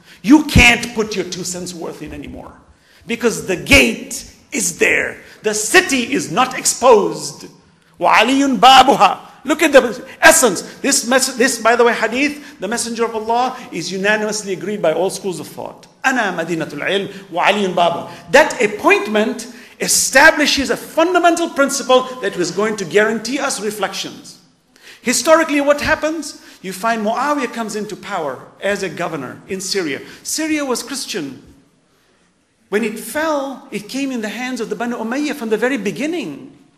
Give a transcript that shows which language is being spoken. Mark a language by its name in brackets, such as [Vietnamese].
[English] You can't put your 2 cents worth in anymore. Because the gate is there. The city is not exposed. [Arabic] وعلي بابها. [English] Look at the essence. This, by the way, hadith, the Messenger of Allah, is unanimously agreed by all schools of thought. [Arabic] أنا مدينة العلم وعليٌ بابا. [English] That appointment establishes a fundamental principle that was going to guarantee us reflections. Historically, what happens? You find Muawiyah comes into power as a governor in Syria. Syria was Christian. When it fell, it came in the hands of the Banu Umayyah from the very beginning.